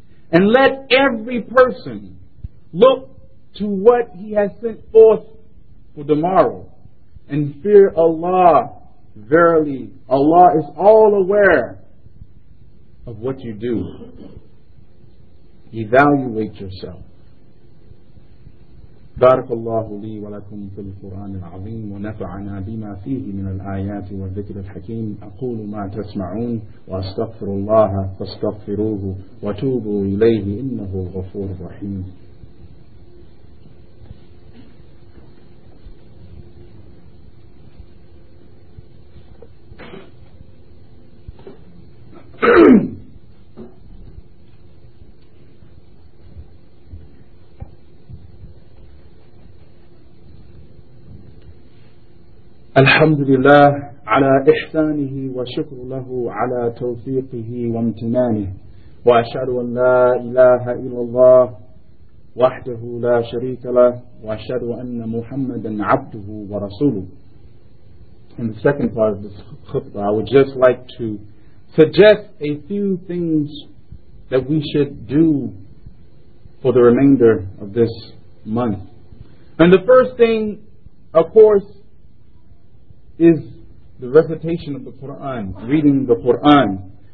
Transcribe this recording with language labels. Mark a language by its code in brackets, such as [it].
[en] And let every person look to what He has sent forth for tomorrow and fear Allah. Verily, Allah is all aware of what you do. Evaluate yourself. [ar] بارك الله لي ولكم في القرآن العظيم ونفعنا بما فيه من الآيات والذكر الحكيم أقول ما تسمعون وأستغفر الله فاستغفروه وتوبوا إليه إنه غفور رحيم. الحمد لله على إحسانه وشكر له على توفيقه وامتنانه وأشهد أن لا إله إلا الله وحده لا شريك له وأشهد أن محمدا عبده ورسوله. [en] In the second part of this khutbah, I would just like to suggest a few things that we should do for the remainder of this month. And the first thing, of course, is the recitation of the Qur'an, reading the Qur'an.